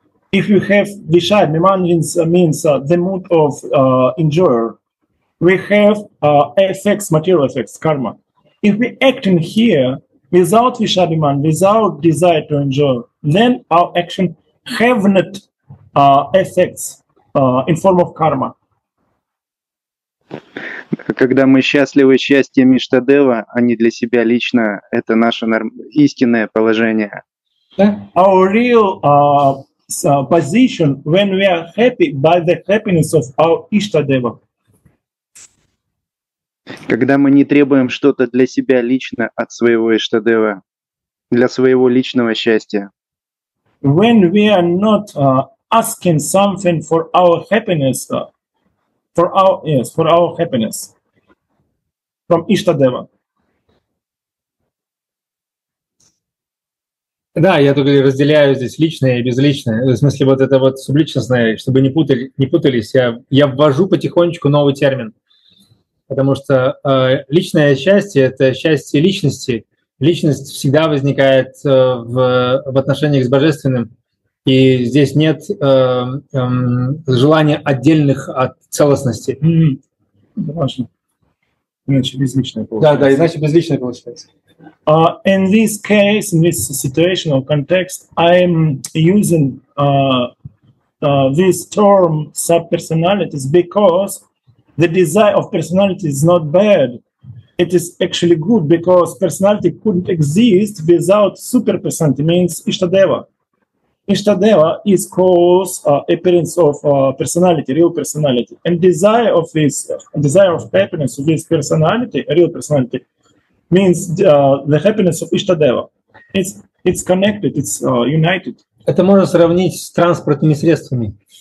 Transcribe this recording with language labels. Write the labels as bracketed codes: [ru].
[en] If you have Vishaya Bhiman means the mood of enjoyer, we have effects, material effects, karma. If we act in here without Vishaya Bhiman, without desire to enjoy, then our action have not effects in form of karma. [ru] Когда мы счастливы счастьем Иштадева, а не для себя лично, это наше истинное положение. [en] Our real position when we are happy by the happiness of our Ishtadeva. [ru] Когда мы не требуем что-то для себя лично от своего Ishtadeva, для своего личного счастья. [en] When we are not asking something for our happiness, for our happiness from Ishtadeva. [ru] Да, я только разделяю здесь личное и безличное. В смысле, вот это вот субличностное, чтобы не путались, я ввожу потихонечку новый термин. Потому что личное счастье — это счастье личности. Личность всегда возникает в отношениях с Божественным. И здесь нет желания отдельных от целостности. Важно. Mm-hmm. Иначе безличное получается. Да, иначе безличное получается. [en] In this case, in this situational context, I am using this term subpersonalities because the desire of personality is not bad. It is actually good because personality couldn't exist without superpersonality, means Ishtadeva. Ishtadeva is cause appearance of personality, real personality. And desire of this, desire of happiness of this personality, real personality, means the happiness of Ishtadeva. It's connected, it's united. [ru] Это можно сравнить с транспортными средствами.